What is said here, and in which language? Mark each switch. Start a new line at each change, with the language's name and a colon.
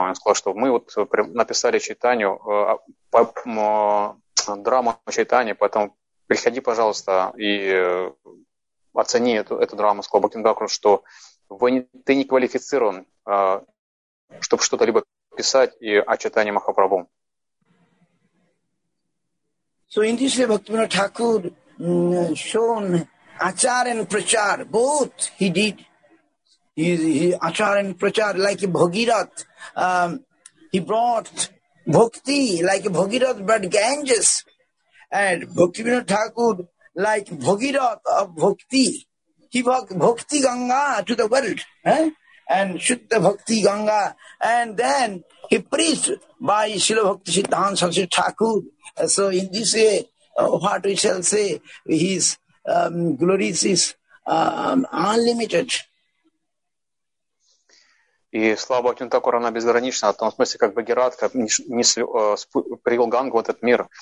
Russian: Он сказал, что мы вот написали Чайтанью драму о Чайтане, поэтому приходи, пожалуйста, и оцени эту драму. Сказал Бхактивинода Такура, что ты не квалифицирован, чтобы что-то либо писать и о Чайтанье Махапрабху.
English: So in this way, Bhaktivinoda Thakur shown achar and prachar, both he did. He achar and prachar like a Bhagirath. He brought bhakti like a Bhagirath, but Ganges. And Bhaktivinoda Thakur like Bhagirath of bhakti. He brought bhakti Ganga to the world. And Shuddha Bhakti Ganga. And then he preached by Srila Bhakti Siddhanta Saraswati Thakur. So in this way, what we shall say, his glories is unlimited.
Russian: И слава Бхактивинода Такура, она безгранична. В том смысле, как Бхагират привел Гангу в этот мир.